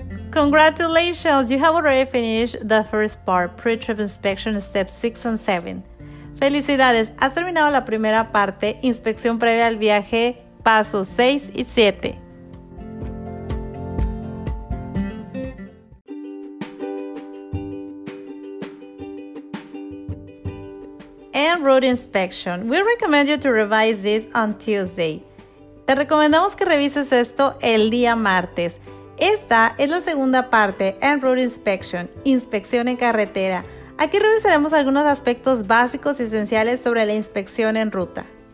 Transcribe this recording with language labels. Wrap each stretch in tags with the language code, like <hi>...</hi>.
<en>Congratulations, you have already finished the first part, pre-trip inspection step 6 and 7.</en> <es>Felicidades, has terminado la primera parte, inspección previa al viaje, pasos 6 y 7.</es> <en>En route inspection, we recommend you to revise this on Tuesday.</en> <es>Te recomendamos que revises esto el día martes. Esta es la segunda parte,</es> <en>en route inspection,</en> <es>inspección en carretera. Aquí revisaremos algunos aspectos básicos y esenciales sobre la inspección en ruta.</es>